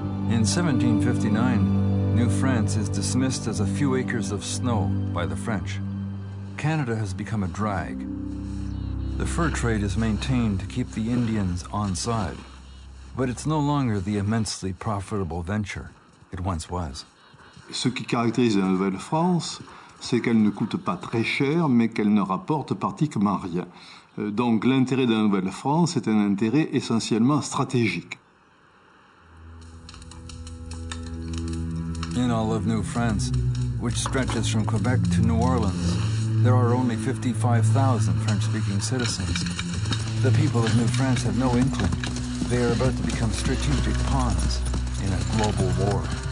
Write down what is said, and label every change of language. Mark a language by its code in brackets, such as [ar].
[en] In 1759, New France is dismissed as a few acres of snow by the French. Canada has become a drag. The fur trade is maintained to keep the Indians on side. But it's no longer the immensely profitable venture it once was. [fr] Ce qui caractérise la Nouvelle-France, c'est qu'elle ne coûte pas très cher, mais qu'elle ne rapporte pratiquement rien. Donc l'intérêt de la Nouvelle-France est un intérêt essentiellement stratégique. [en] In all of New France, which stretches from Quebec to New Orleans, there are only 55,000 French-speaking citizens. The people of New France have no inkling. They are about to become strategic pawns in a global war.